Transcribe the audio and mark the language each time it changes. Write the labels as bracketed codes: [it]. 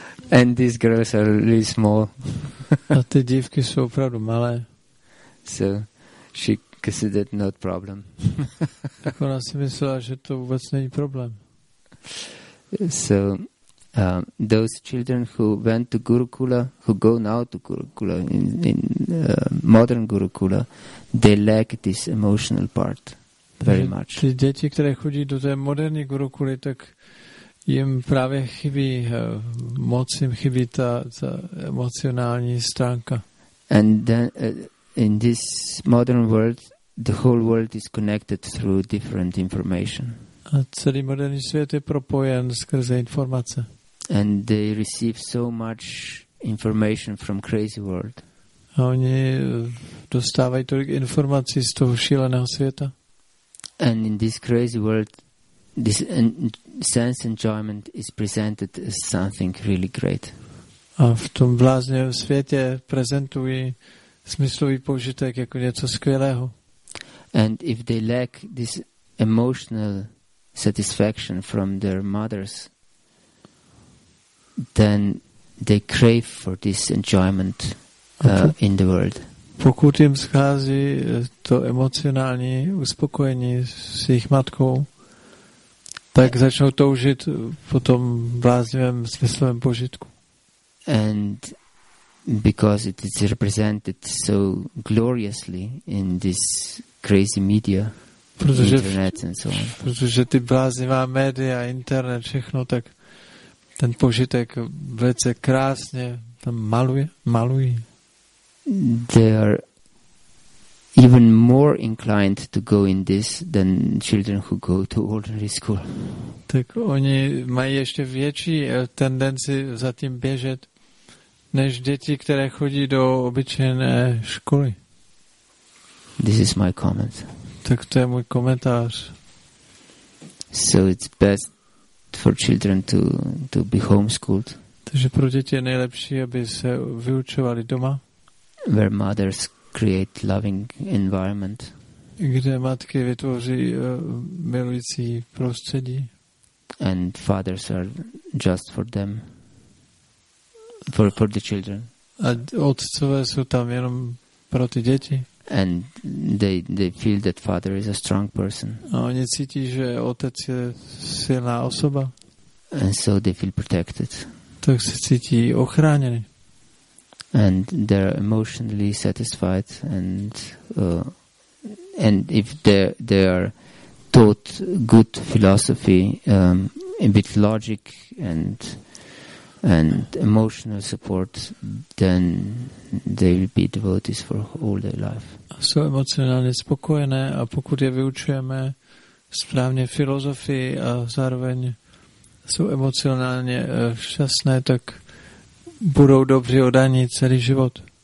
[en] And these girls are really small. [cs] A ty dívky jsou opravdu malé. [en] So she considered not problem. [cs] Tak ona si myslela, že to vůbec není problém. [en] So those children who went to Gurukula, who go now to Gurukula, in modern Gurukula, they lack this emotional part very much. [cs] Ty děti, které chodí do té moderní Gurukuly, tak jim právě chybí moc, jim chybí ta emocionální stránka. [en] And then in this modern world, the whole world is connected through different information. [cs] A celý moderní svět je propojen skrze informace. [en] And they receive so much information from crazy world. [cs] A oni dostávají tolik informací z toho šíleného světa. [en] And in this crazy world, this sense enjoyment is presented as something really great. [cs] A v tom bláznivém světě prezentují smyslový požitek jako něco skvělého. [en] And if they lack this emotional satisfaction from their mothers, then they crave for this enjoyment in the world. [cs] Pokud jim schází to emocionální uspokojení s jejich matkou, tak začnou toužit po tom bláznivém smyslovém požitku. [en] And because it is represented so gloriously in this crazy media, internet and so on. [cs] Protože ty bláznivá média, internet, všechno, tak ten požitek velice krásně tam maluje. [en] They are even more inclined to go in this than children who go to ordinary school. [cs] Tak oni mají ještě větší tendenci za tím běžet než děti, které chodí do obyčejné školy. [en] This is my comment. [cs] Tak to je můj komentář. [en] So it's best for children to be homeschooled. [cs] Takže pro děti je nejlepší, aby se vyučovali doma. [en] Where mothers create loving environment. [cs] Kde matky vytvoří milující prostředí. [en] And fathers are just for them. For the children. [cs] A otcové jsou tam jenom pro ty děti. [en] And they feel that father is a strong person. [cs] A oni cítí, že otec je silná osoba. [en] And so they feel protected. [cs] Tak se cítí ochráněni. [en] And they're emotionally satisfied, and if they are taught good philosophy, a bit logic and emotional support, then they will be devotees for all their life. [cs] Jsou emocionálně spokojené, a pokud je vyučujeme správně filozofii a zároveň jsou emocionálně šťastné, tak budou dobře odaní celý život.